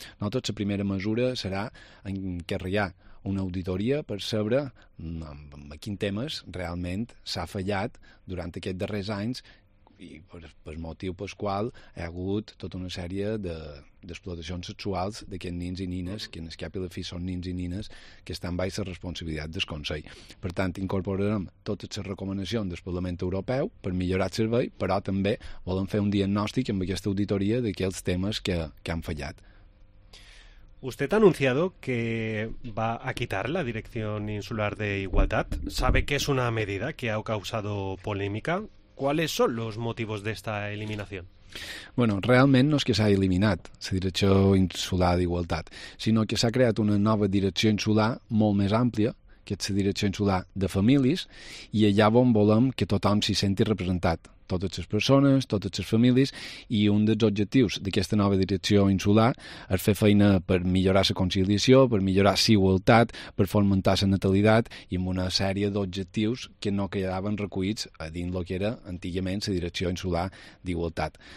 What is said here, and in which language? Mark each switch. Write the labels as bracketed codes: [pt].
[ca] Nosaltres, la primera mesura serà encarregar una auditoria per saber a quins temes realment s'ha fallat durant aquests darrers anys i per motiu pel qual hi ha hagut tota una sèrie d'explotacions sexuals d'aquests nins i nines, que en el cap i la fi són nins i nines, que estan baix la responsabilitat del Consell. Per tant, incorporarem totes les recomanacions del Parlament Europeu per millorar el servei, però també volem fer un diagnòstic amb aquesta auditoria d'aquells temes que han fallat. [es] Usted ha anunciado que va a quitar la Dirección Insular de Igualdad. ¿Sabe que es una medida que ha causado polémica? ¿Cuáles son los motivos de esta eliminación? [ca] Bueno, realment no és que s'ha eliminat la Direcció Insular d'Igualtat, sinó que s'ha creat una nova direcció insular molt més àmplia, que és la Direcció Insular de Famílies, i allà on volem que tothom s'hi senti representat. Totes les persones, totes les famílies, i un dels objectius d'aquesta nova direcció insular és fer feina per millorar la conciliació, per millorar la igualtat, per fomentar la natalitat i amb una sèrie d'objectius que no quedaven recollits a dins el que era antigament la direcció insular d'igualtat.